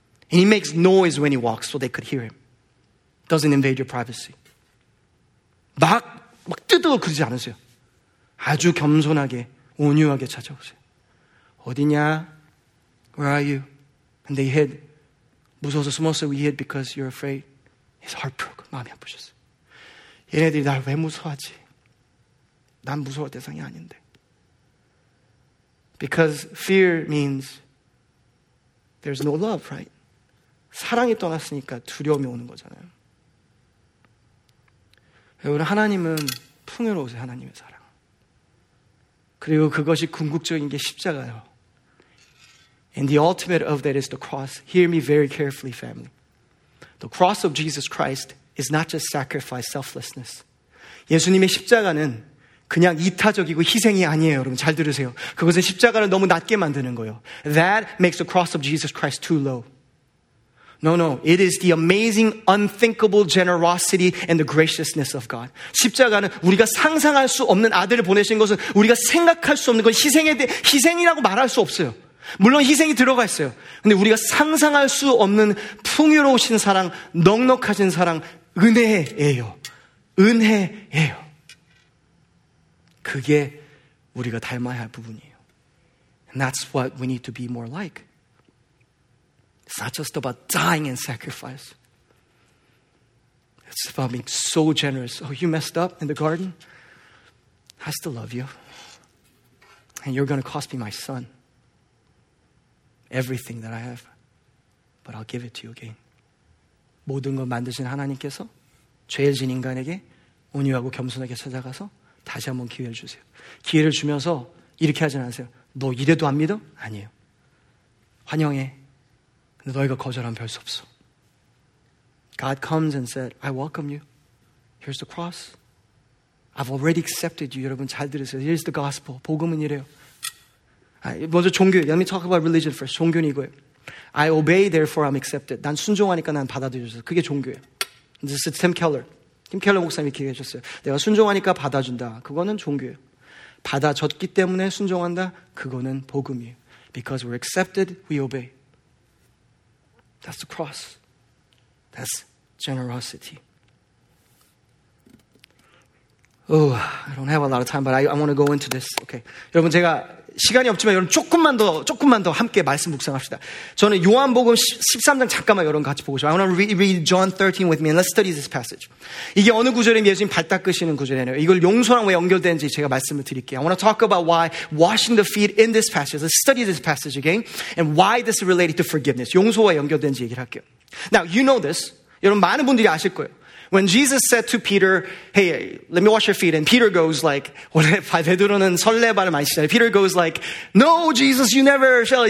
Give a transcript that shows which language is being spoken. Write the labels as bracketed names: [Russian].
[English] And he makes noise when he walks so they could hear him. Doesn't invade your privacy. [Korean] 막 뜨뜨거 그러지 않으세요. 아주 겸손하게, 온유하게 찾아오세요. 어디냐? [English] Where are you? And they hid. [Korean] 무서워서 숨었어. [English] We hid because you're afraid. His heart broke. [Korean] 마음이 아프셨어. 얘네들이 날 왜 무서워하지? 난 무서워할 대상이 아닌데. [English] Because fear means there's no love, right? [Korean] 사랑이 떠났으니까 두려움이 오는 거잖아요. 여러분, 하나님은 풍요로우세요. 하나님의 사랑. 그리고 그것이 궁극적인 게 십자가요. [English] And the ultimate of that is the cross. Hear me very carefully, family. The cross of Jesus Christ is not just sacrifice, selflessness. [Korean] 예수님의 십자가는 그냥 이타적이고 희생이 아니에요, 여러분. 잘 들으세요. 그것은 십자가를 너무 낮게 만드는 거예요. [English] That makes the cross of Jesus Christ too low. No, no. It is the amazing, unthinkable generosity and the graciousness of God. [Korean] 십자가는 우리가 상상할 수 없는 아들을 보내신 것은 우리가 생각할 수 없는 건 희생이라고 말할 수 없어요. 물론 희생이 들어가 있어요. 근데 우리가 상상할 수 없는 풍요로우신 사랑, 넉넉하신 사랑, 은혜예요. 은혜예요. 그게 우리가 닮아야 할 부분이에요. [English] And that's what we need to be more like. It's not just about dying and sacrifice. It's about being so generous. Oh, you messed up in the garden? I still love you. And you're going to cost me my son. Everything that I have, but I'll give it to you again. [Korean] 모든 걸 만드신 하나님께서 죄를 진 인간에게 온유하고 겸손하게 찾아가서 다시 한번 기회를 주세요. 기회를 주면서 이렇게 하진 않으세요. 너 이래도 안 믿어? 아니에요. 환영해. 근데 너희가 거절하면 별 수 없어. [English] God comes and said, I welcome you. Here's the cross. I've already accepted you. [Korean] 여러분 잘 들으세요. [English] Here's the gospel. [Korean] 복음은 이래요. 먼저 종교. [English] Let me talk about religion first. [Korean] 종교는 이거예요. [English] I obey, therefore I'm accepted. [Korean] 난 순종하니까 난 받아들여져. 그게 종교예요. [English] This is Tim Keller. Tim Keller [Korean] 목사님이 기억해줬어요. 내가 순종하니까 받아준다. 그거는 종교예요. 받아줬기 때문에 순종한다. 그거는 복음이에요. [English] Because we're accepted, we obey. That's the cross. That's generosity. Oh, I don't have a lot of time, but I want to go into this. Okay. [Korean] 여러분, 제가 시간이 없지만 여러분 조금만 더 함께 말씀 묵상합시다. 저는 요한복음 13장 잠깐만 여러분 같이 보고 싶어요. [English] I want to read John 13 with me and let's study this passage. [Korean] 이게 어느 구절에 예수님 발 닦으시는 구절이에요. 이걸 용서랑 왜 연결되는지 제가 말씀을 드릴게요. [English] I want to talk about why washing the feet in this passage. Let's study this passage again and why this is related to forgiveness. [Korean] 용서와 연결되는지 얘기를 할게요. [English] Now, you know this. [Korean] 여러분 많은 분들이 아실 거예요. [English] When Jesus said to Peter, hey, let me wash your feet. And Peter goes like, [Korean] 원래 베드로는 설레발을 많이 치잖아요. [English] Peter goes like, no, Jesus, you never shall.